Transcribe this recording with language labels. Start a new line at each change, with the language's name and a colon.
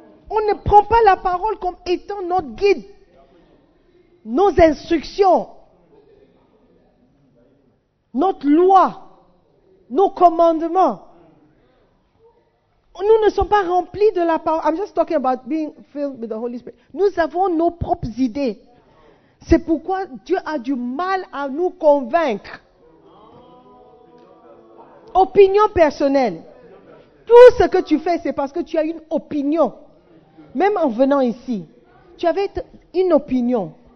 French: On ne prend pas la parole comme étant notre guide, nos instructions, notre loi, nos commandements. Nous ne sommes pas remplis de la parole.
English: I'm just talking about being filled with the Holy Spirit.
French: Nous avons nos propres idées. C'est pourquoi Dieu a du mal à nous convaincre. Opinion personnelle. Tout ce que tu fais, c'est parce que tu as une opinion. Même en venant ici, tu avais une opinion.